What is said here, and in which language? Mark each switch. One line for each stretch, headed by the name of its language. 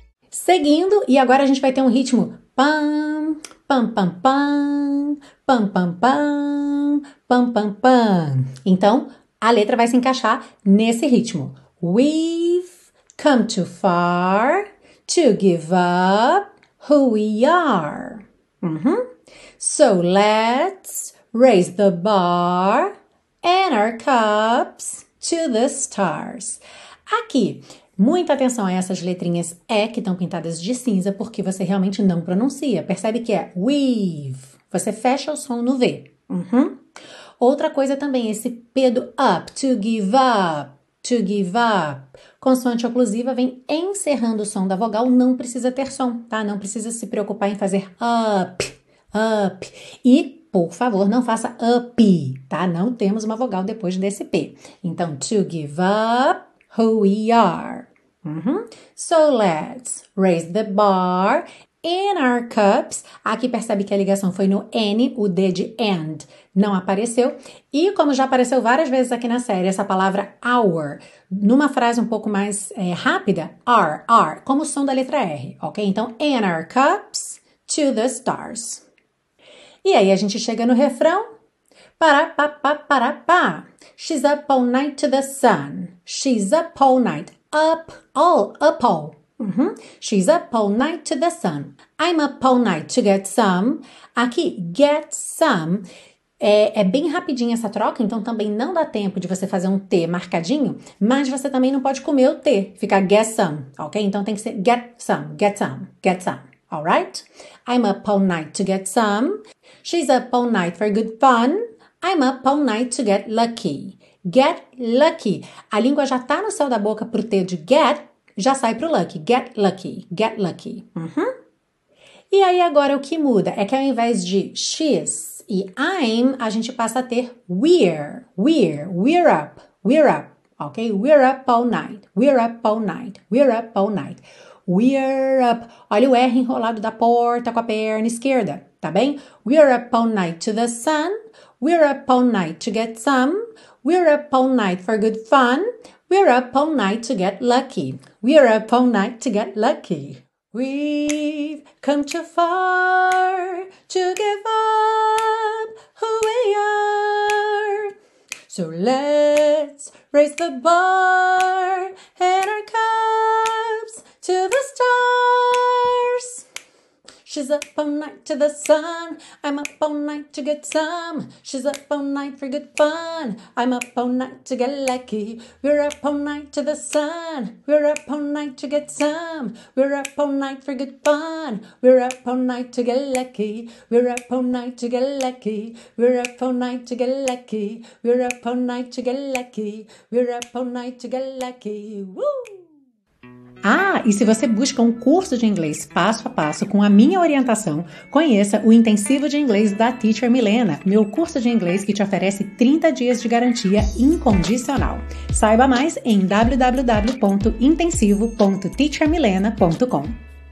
Portuguese: Seguindo, e agora a gente vai ter um ritmo pam, pam, pam, pam, pam, pam, pam, pam, pam, pam. Então, a letra vai se encaixar nesse ritmo.
English: We've come too far to give up who we are. Uhum. So let's raise the bar and our cups to the stars.
Portuguese: Aqui, muita atenção a essas letrinhas E que estão pintadas de cinza porque você realmente não pronuncia. Percebe que é we've. Você fecha o som no V. Uhum. Outra coisa também, esse P do up,
English: to give up, to give up.
Portuguese: Consoante oclusiva vem encerrando o som da vogal, não precisa ter som, tá? Não precisa se preocupar em fazer up, up. E, por favor, não faça up, tá? Não temos uma vogal depois desse P.
English: Então, to give up who we are. Uhum. So, let's raise the bar in our cups.
Portuguese: Aqui percebe que a ligação foi no N, o D de and. Não apareceu. E como já apareceu várias vezes aqui na série, essa palavra our, numa frase um pouco mais rápida, R, como o som da letra R, ok?
English: Então, in our cups to the stars.
Portuguese: E aí a gente chega no refrão. Pa-ra-pa-pa-pa-ra-pa.
English: She's up all night to the sun. She's up all night. Up, all, up all. Uhum. She's up all night to the sun. I'm up all night to get some. Aqui, get some.
Portuguese: É bem rapidinho essa troca, então também não dá tempo de você fazer um T marcadinho, mas você também não pode comer o T, ficar
English: get some,
Portuguese: ok? Então tem que ser
English: get some, get some, get some, alright? I'm up all night to get some. She's up all night for good fun. I'm up all night to get lucky. Get lucky.
Portuguese: A língua já tá no céu da boca pro T de get, já sai pro lucky.
English: Get lucky, get lucky.
Portuguese: Uhum. E aí agora o que muda é que ao invés de she's e I'm, a gente passa a ter
English: we're up,
Portuguese: ok?
English: We're up all night, we're up all night, we're up all night, we're up.
Portuguese: Olha o R enrolado da porta com a perna esquerda, tá bem?
English: We're up all night to the sun, we're up all night to get some, we're up all night for good fun, we're up all night to get lucky, we're up all night to get lucky. We've come too far to give up who we are. So let's raise the bar and our cups to the stars. She's up all night to the sun. I'm up all night to get some. She's up all night for good fun. I'm up all night to get lucky. We're up all night to the sun. We're up all night to get some. We're up all night for good fun. We're up all night to get lucky. We're up all night to get lucky. We're up all night to get lucky. We're up all night to get lucky. We're up all night to get lucky. Woo!
Portuguese: Ah, e se você busca um curso de inglês passo a passo com a minha orientação, conheça o Intensivo de Inglês da Teacher Milena, meu curso de inglês que te oferece 30 dias de garantia incondicional. Saiba mais em www.intensivo.teachermilena.com.